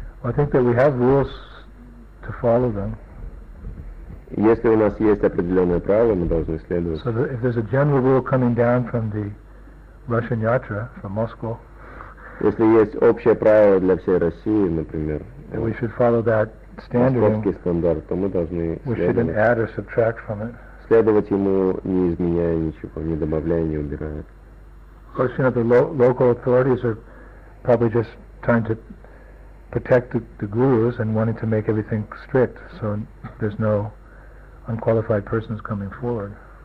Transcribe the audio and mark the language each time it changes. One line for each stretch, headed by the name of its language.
English: Well, I think that we have rules to follow them.
Russian: Если у нас есть определенные правила, мы должны следовать.
English: So if there's a general rule coming down from the Russian yatra, from Moscow.
Russian: Если есть общее правило для всей России, например.
English: Then we should follow that.
Russian: Московский стандарт, то мы должны следовать ему, не изменяя ничего, не добавляя, не убирая.
English: Of course, you know, the local authorities are probably just trying to protect the gurus and wanting to make everything strict, so there's no unqualified persons coming forward.